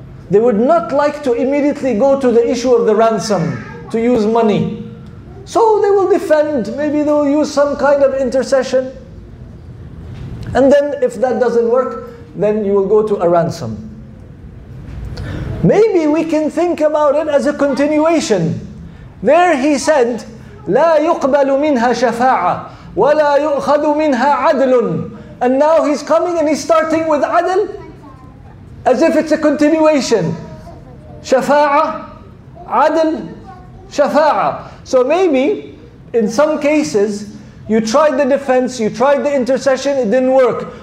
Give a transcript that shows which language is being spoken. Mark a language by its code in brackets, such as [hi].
[en] They would not like to immediately go to the issue of the ransom, to use money. So they will defend, maybe they'll use some kind of intercession. And then if that doesn't work, then you will go to a ransom. Maybe we can think about it as a continuation. There he said, [ar] لَا يُقْبَلُ مِنْهَا شَفَاعَةً وَلَا يُؤْخَذُ مِنْهَا عَدْلٌ. [en] And now he's coming and he's starting with عَدْل as if it's a continuation. [ar] شَفَاعَةً عَدْل شَفَاعَةً. [en] So maybe, in some cases, you tried the defense, you tried the intercession, it didn't work.